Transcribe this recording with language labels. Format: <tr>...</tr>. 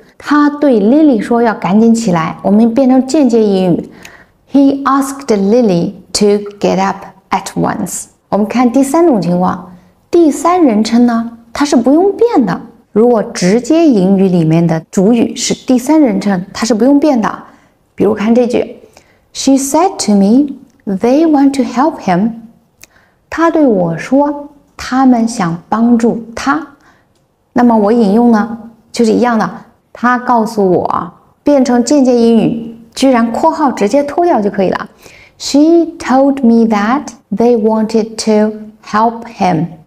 <zh>他对 Lily 说要赶紧起来，我们变成间接引语。</zh> <en>He asked Lily to get up at once.</en> <zh>我们看第三种情况，第三人称呢，它是不用变的。如果直接引语里面的主语是第三人称，它是不用变的。比如看这句</zh> <en>She said to me they want to help him.</en> <zh>他对我说他们想帮助他。那么我引用呢，就是一样的，他告诉我，变成间接引语，居然括号直接脱掉就可以了。</zh> <en>She told me that they wanted to help him.</en>